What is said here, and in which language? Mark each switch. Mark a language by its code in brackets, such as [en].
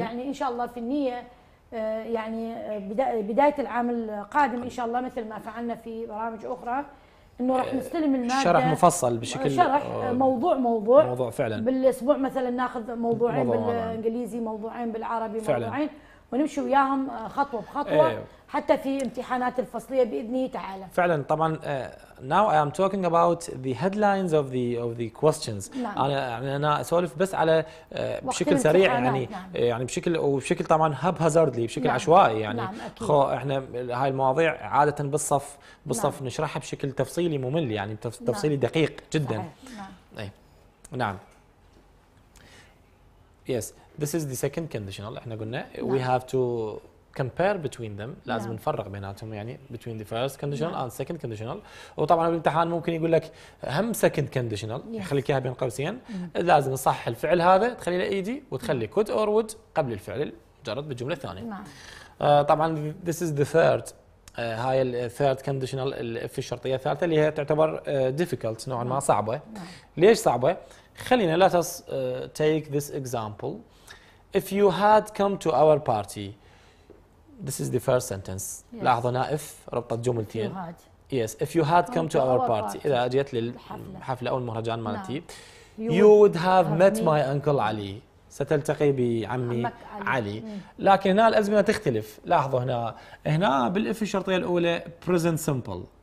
[ar] يعني ان شاء الله في النية يعني بداية العام القادم إن شاء الله مثل ما فعلنا في برامج أخرى إنه راح نستلم المادة شرح مفصل بشكل شرح موضوع موضوع موضوع فعلا بالأسبوع مثلا ناخذ موضوعين موضوع بالإنجليزي موضوعين بالعربي فعلاً. موضوعين ونمشي وياهم خطوة بخطوة. أيوه. حتى في امتحانات الفصلية بإذنه تعالى فعلا طبعا [en] now I am talking about the headlines of the questions. [ar] نعم. انا اسولف بس على بشكل سريع يعني. نعم. يعني بشكل وبشكل طبعا هب هازاردلي بشكل. نعم. عشوائي يعني. نعم. خو احنا هاي المواضيع عادة بالصف بالصف. نعم. نشرحها بشكل تفصيلي ممل يعني تفصيلي. نعم. دقيق جدا. نعم. اي نعم. [en] Yes, this is the second conditional. [ar] احنا قلنا [en] we have to compare between them. [ar] لازم نفرق بيناتهم يعني [en] between the first conditional and second conditional. [ar] وطبعا بالامتحان ممكن يقول لك هم second conditional. [en] Yes. [ar] يخليك اياها بين قوسين. لازم نصحح الفعل هذا تخلي له ايدي وتخلي [en] could or would [ar] قبل الفعل مجرد بالجملة الثانية. [en] طبعا this is the third. [ar] هاي الثيرد كونديشنال الاف الشرطية الثالثة اللي هي تعتبر difficult نوعا ما صعبة. نعم. ليش صعبة؟ خلينا [en] let us take this example. If you had come to our party, this is the first sentence. [ar] لاحظوا نائف ربطت جملتين. [en] Yes, if you had come to our party, [ar] إذا جيت للحفلة أو المهرجان مالتي, [en] you would have met my uncle Ali. [ar] ستلتقي بعمي علي. لكن هنا الأزمنة تختلف. لاحظوا هنا بالإف الشرطية الأولى [en] present simple.